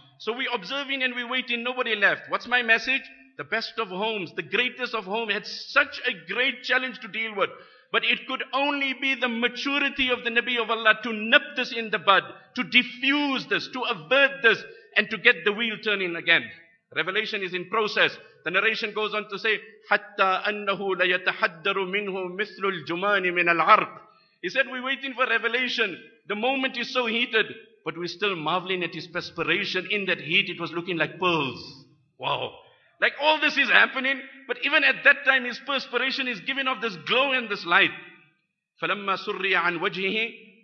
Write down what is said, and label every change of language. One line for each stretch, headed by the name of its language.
English: So we observing and we waiting. Nobody left. What's my message? The best of homes, the greatest of homes had such a great challenge to deal with. But it could only be the maturity of the Nabi of Allah to nip this in the bud, to diffuse this, to avert this, and to get the wheel turning again. Revelation is in process. The narration goes on to say,
Arabic: حَتَّى أَنَّهُ لَيَتَحَدَّرُ مِنْهُ مِثْلُ الْجُمَانِ مِنَ الْعَرْقِ.
English: He said, we're waiting for revelation. The moment is so heated, but we're still marveling at his perspiration. In that heat, it was looking like pearls. Wow. Like all this is happening, but even at that time, his perspiration is giving off this glow and this light.
Arabic: فَلَمَّا سُرِّيَ عَنْ وَجْهِهِ.